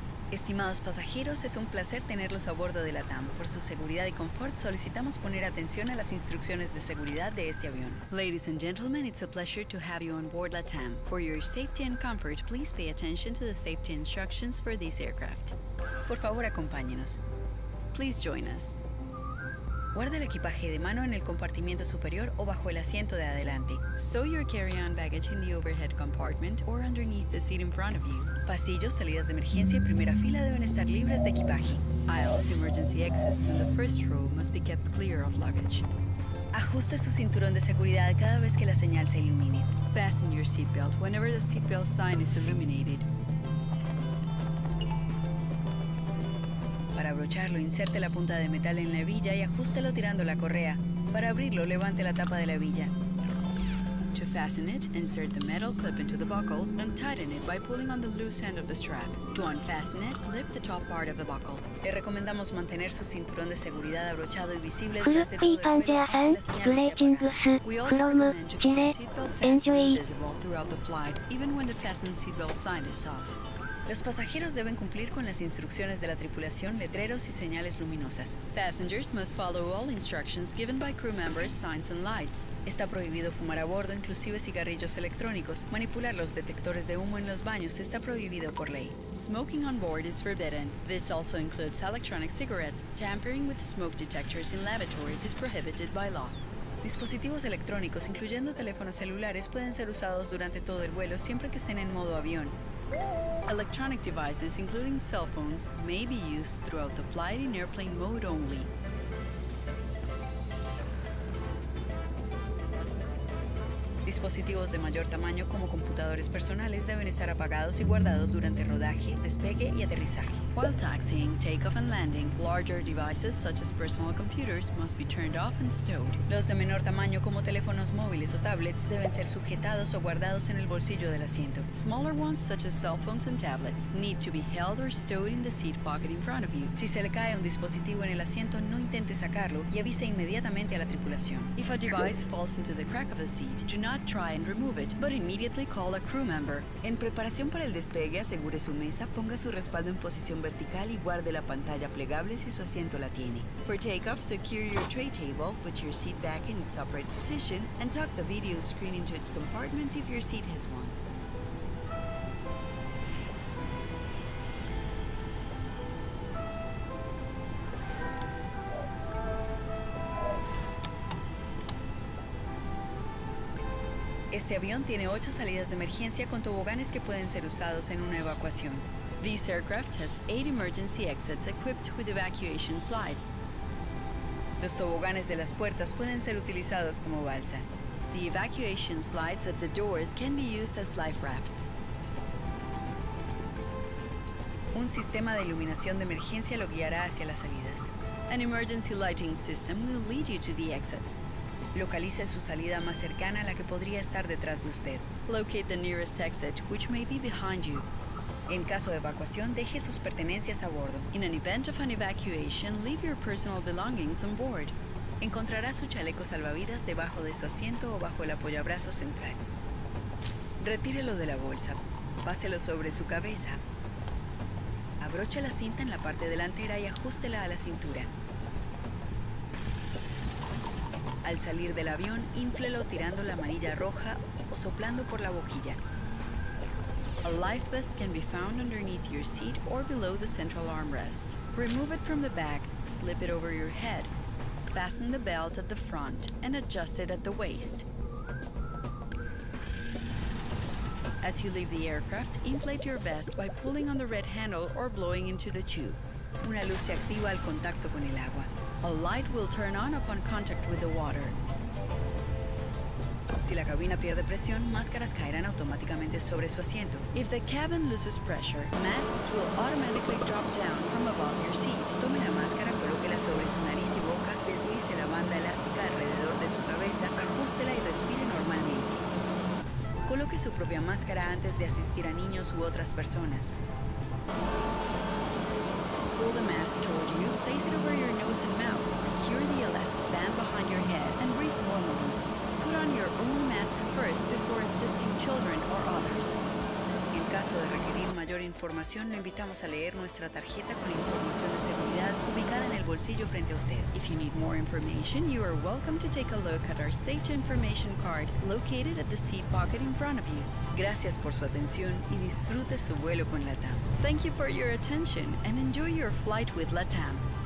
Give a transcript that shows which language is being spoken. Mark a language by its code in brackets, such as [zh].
[es] Estimados pasajeros, es un placer tenerlos a bordo de LATAM. Por su seguridad y confort, solicitamos poner atención a las instrucciones de seguridad de este avión. [en] Ladies and gentlemen, it's a pleasure to have you on board LATAM. For your safety and comfort, please pay attention to the safety instructions for this aircraft. [es] Por favor, acompáñenos. [en] Please join us. [es] Guarda el equipaje de mano en el compartimiento superior o bajo el asiento de adelante. [en] Stow your carry-on baggage in the overhead compartment or underneath the seat in front of you. [es] Pasillos, salidas de emergencia y primera fila deben estar libres de equipaje. [en] Aisles, emergency exits and the first row must be kept clear of luggage. [es] Ajuste su cinturón de seguridad cada vez que la señal se ilumine. [en] Fasten your seatbelt whenever the seatbelt sign is illuminated. [es] Para abrocharlo, inserte la punta de metal en la hebilla y ajústelo tirando la correa. Para abrirlo, levante la tapa de la hebilla. [en] To fasten it, insert the metal clip into the buckle and tighten it by pulling on the loose end of the strap. To unfasten it, lift the top part of the buckle. [es] Le recomendamos mantener su cinturón de seguridad abrochado y visible durante todo el vuelo. [en] We also recommend to keep your seatbelt fastened and visible throughout the flight, even when the fastened seatbelt sign is off. [es] Los pasajeros deben cumplir con las instrucciones de la tripulación, letreros y señales luminosas. [en] Passengers must follow all instructions given by crew members, signs and lights. [es] Está prohibido fumar a bordo, inclusive cigarrillos electrónicos. Manipular los detectores de humo en los baños está prohibido por ley. [en] Smoking on board is forbidden. This also includes electronic cigarettes. Tampering with smoke detectors in lavatories is prohibited by law. [es] Dispositivos electrónicos, incluyendo teléfonos celulares, pueden ser usados durante todo el vuelo siempre que estén en modo avión. [en] Electronic devices, including cell phones, may be used throughout the flight in airplane mode only. [es] Dispositivos de mayor tamaño, como computadores personales, deben estar apagados y guardados durante rodaje, despegue y aterrizaje. [en] While taxiing, takeoff and landing, larger devices such as personal computers must be turned off and stowed. [es] Los de menor tamaño, como teléfonos móviles o tablets, deben ser sujetados o guardados en el bolsillo del asiento. [en] Smaller ones such as cell phones and tablets need to be held or stowed in the seat pocket in front of you. [es] Si se le cae un dispositivo en el asiento, no intente sacarlo y avise inmediatamente a la tripulación. [en] If a device falls into the crack of the seat, do not try and remove it, but immediately call a crew member. [es] En preparación para el despegue, asegure su mesa, ponga su respaldo en posición vertical y guarde la pantalla plegable si su asiento la tiene. [en] For takeoff, secure your tray table, put your seat back in its upright position, and tuck the video screen into its compartment if your seat has one. [es] Este avión tiene 8 salidas de emergencia con toboganes que pueden ser usados en una evacuación. [en] This aircraft has 8 emergency exits equipped with evacuation slides. [es] Los toboganes de las puertas pueden ser utilizados como balsa. [en] The evacuation slides at the doors can be used as life rafts. [es] Un sistema de iluminación de emergencia lo guiará hacia las salidas. [en] An emergency lighting system will lead you to the exits. [es] Localice su salida más cercana a la que podría estar detrás de usted. [en] Locate the nearest exit, which may be behind you. [es] En caso de evacuación, deje sus pertenencias a bordo. [en] In an event of an evacuation, leave your personal belongings on board. [es] Encontrará su chaleco salvavidas debajo de su asiento o bajo el apoyabrazo central. Retírelo de la bolsa. Páselo sobre su cabeza. Abroche la cinta en la parte delantera y ajústela a la cintura. Al salir del avión, inflelo tirando la manilla roja o soplando por la boquilla. [en] A life vest can be found underneath your seat or below the central armrest. Remove it from the back, slip it over your head, fasten the belt at the front and adjust it at the waist. As you leave the aircraft, inflate your vest by pulling on the red handle or blowing into the tube. [es] Una luz se activa al contacto con el agua. [en] A light will turn on upon contact with the water. [es] Si la cabina pierde presión, máscaras caerán automáticamente sobre su asiento. [en] If the cabin loses pressure, masks will automatically drop down from above your seat. [es] Tome la máscara, colóquela sobre su nariz y boca, deslice la banda elástica alrededor de su cabeza, ajústela y respire normalmente. Coloque su propia máscara antes de asistir a niños u otras personas. [en] Pull the mask toward you, place it over your nose and mouth, secure the elastic band behind your head, and breathe normally. Put on your own mask first before assisting children or others. [es] En caso caso de requerir mayor información, lo invitamos a leer nuestra tarjeta con información de seguridad ubicada en el bolsillo frente a usted. [en] If you need more information, you are welcome to take a look at our safety information card located at the seat pocket in front of you. [es] Gracias por su atención y disfrute su vuelo con LATAM. [en] Thank you for your attention and enjoy your flight with LATAM.